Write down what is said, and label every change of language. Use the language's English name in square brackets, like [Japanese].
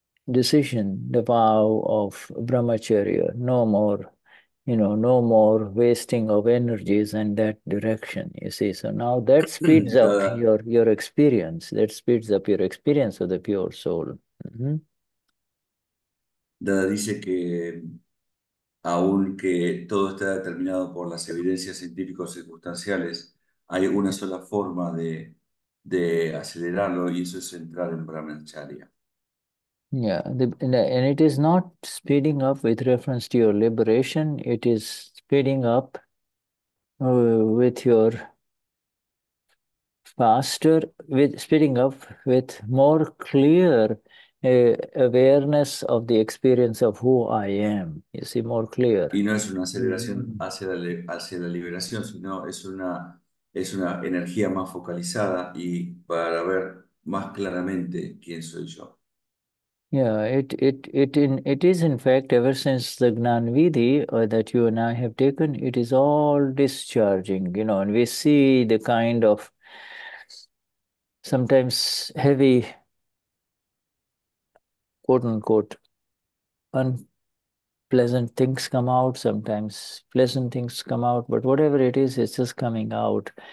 [English] Decision, the vow of brahmacharya, no more, you know, no more wasting of energies in that direction, you see. So now that speeds up your experience, that speeds up your experience of the pure soul. [Spanish] Dada dice que aunque todo está determinado por las evidencias científicas circunstanciales, hay una sola forma de acelerarlo, y eso es entrar en brahmacharya. [English] Yeah, and it is not speeding up with reference to your liberation. It is speeding up with your faster, with speeding up with more clear awareness of the experience of who I am. You see, more clear. [Spanish] Y no es una aceleración hacia la liberación, sino es una energía más focalizada y para ver más claramente quién soy yo. [English] Yeah, it is in fact ever since the Gnan Vidhi that you and I have taken, it is all discharging, you know, and we see the kind of sometimes heavy, quote unquote, unpleasant things come out, sometimes pleasant things come out, but whatever it is, it's just coming out.